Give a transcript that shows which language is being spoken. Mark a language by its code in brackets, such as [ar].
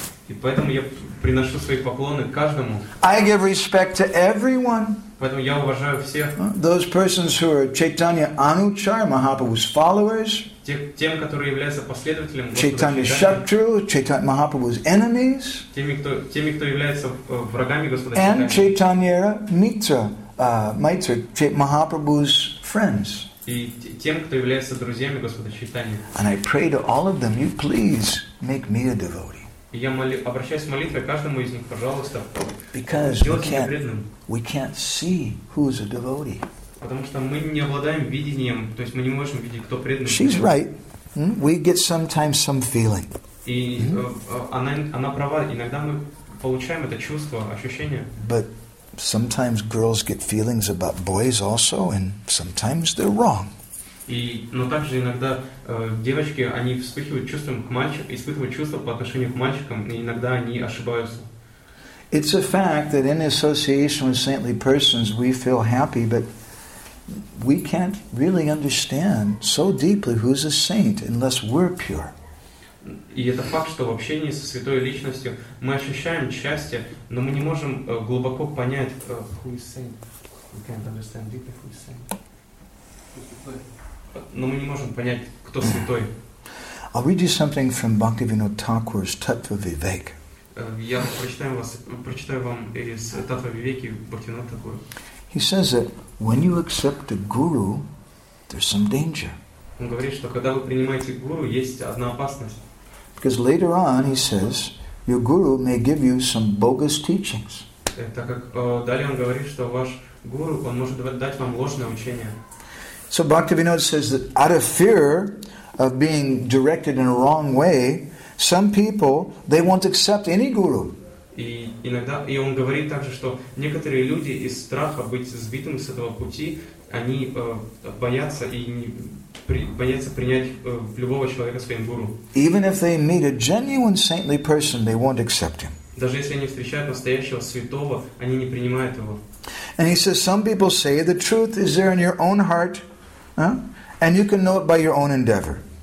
[ru] И поэтому я приношу свои поклоны каждому. [en] I give respect to everyone. [ru] Поэтому я уважаю всех. [en] Those persons who are Chaitanya Anuchar, Mahaprabhu's followers. [ru] Тем, которые являются последователями. [en] Chaitanya Shatru, Chaitanya Mahaprabhu's enemies. [ru] Теми, кто является врагами Господа. [en] And Chaitanya Mitra, Maitra, Mahaprabhu's friends. [ru] И тем, кто является друзьями Господа Чайтаньи. [en] And I pray to all of them, you please make me a devotee. [ru] И я обращаюсь с молитвой каждому из них, пожалуйста. [en] Because we can't see who is a devotee. [ru] Потому что мы не обладаем видением, то есть мы не можем видеть, кто преданный. [en] She's right. We get sometimes some feeling. [ru] И она права, иногда мы получаем это чувство, ощущение. [en] But sometimes girls get feelings about boys also, and sometimes they're wrong. [ru] И, но также иногда девочки, они вспыхивают чувством к мальчику, испытывают чувства по отношению к мальчикам, и иногда они ошибаются. [en] It's a fact that in association with saintly persons we feel happy, but we can't really understand so deeply who's a saint unless we're pure. [ru] И это факт, что в общении со святой личностью мы ощущаем счастье, но мы не можем глубоко понять, [en] who is saint. We can't understand deeply who is saint. [ru] Но мы не можем понять, кто святой. [en] I'll read you something from Bhaktivinoda Thakur's Tattva Vivek. [ru] Я прочитаю вам из Таттва Вивеки Бхактивинода Тхакура. [en] He says that when you accept a guru, there's some danger. [ru] Он говорит, что когда вы принимаете гуру, есть одна опасность. [en] Because later on, he says, your guru may give you some bogus teachings. [ru] Так как далее он говорит, что ваш гуру, он может дать вам ложное учение. [en] So Bhaktivinoda says that out of fear of being directed in a wrong way, some people, they won't accept any guru. [ru] И он говорит также, что некоторые люди из страха быть сбитым с этого пути, они боятся принять любого человека своим гуру. [en] Even if they meet a genuine saintly person, they won't accept him. [ru] Даже если они встречают настоящего святого, они не принимают его. [en] And he says, some people say the truth is there in your own heart, and you can know it by your own endeavor.